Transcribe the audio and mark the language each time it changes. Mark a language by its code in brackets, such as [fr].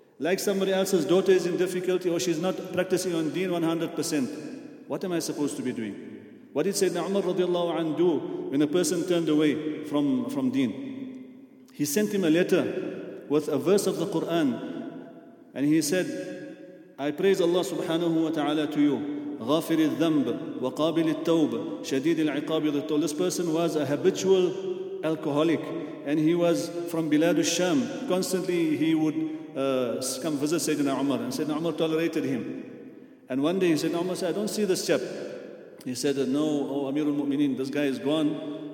[en] Like somebody else's daughter is in difficulty or she's not practicing on deen 100%. What am I supposed to be doing? What did Sayyidina Umar radiallahu anhu do when a person turned away from deen? He sent him a letter with a verse of the Quran. And he said, I praise Allah subhanahu wa ta'ala to you. [ar] غافر الذنب وقابل التوب شديد العقاب. [en] This person was a habitual alcoholic and he was from Bilad al-Sham. Constantly he would come visit Sayyidina Umar and Sayyidina Umar tolerated him. And one day he said, Umar said, I don't see this chap. He said, no, oh Amir al-Mu'mineen, this guy is gone.